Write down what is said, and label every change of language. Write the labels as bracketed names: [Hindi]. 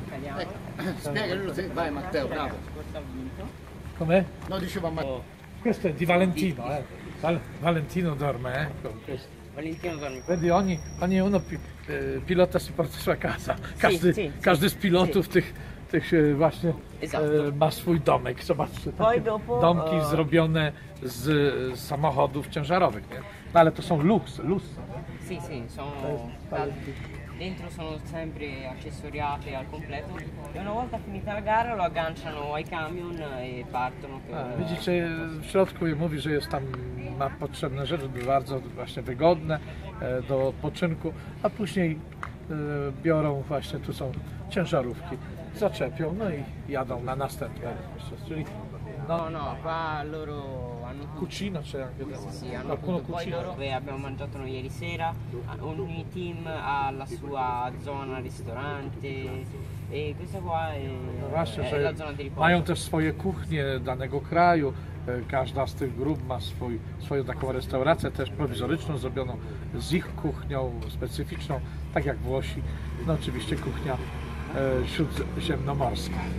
[Italian] Italiano. Spiega lui, sì. Vai Matteo, bravo. Com'è? No, diceva Matteo. Questo è di Valentino, eh. Valentino dorme, eh. Vedi, ognuno pilota si porta sulla casa. [Polish] Każdy z pilotów, [Italian] sì. [Polish] tych właśnie, [Italian] esatto. [Polish] Ma swój domek. Zobaczcie, [Italian] poi dopo, [Polish] domki zrobione z samochodów ciężarowych, nie? No, ale to są luks, lus. [Italian] Sì, sì, sono dentro sono sempre accessoriate al completo e una volta finita la gara lo agganciano ai camion e partono per... [Polish] Widzicie, w środku mówi, że jest tam, ma potrzebne rzeczy, bardzo właśnie wygodne do odpoczynku, a później biorą właśnie, tu są ciężarówki, zaczepią, no i jadą na następne. Czyli [Italian] no, qua loro hanno cucina, c'è anche qualcuno cucina. Loro, abbiamo mangiato noi ieri sera, ogni team ha la sua zona ristorante e questa qua è, no [Polish] właśnie, [Italian] è la zona di riposo. [Polish] Mają też swoje kuchnie danego kraju. Każda z tych grup ma swoją taką restaurację, też prowizoryczną, zrobioną z ich kuchnią specyficzną, tak jak Włosi. No oczywiście kuchnia śródziemnomorska.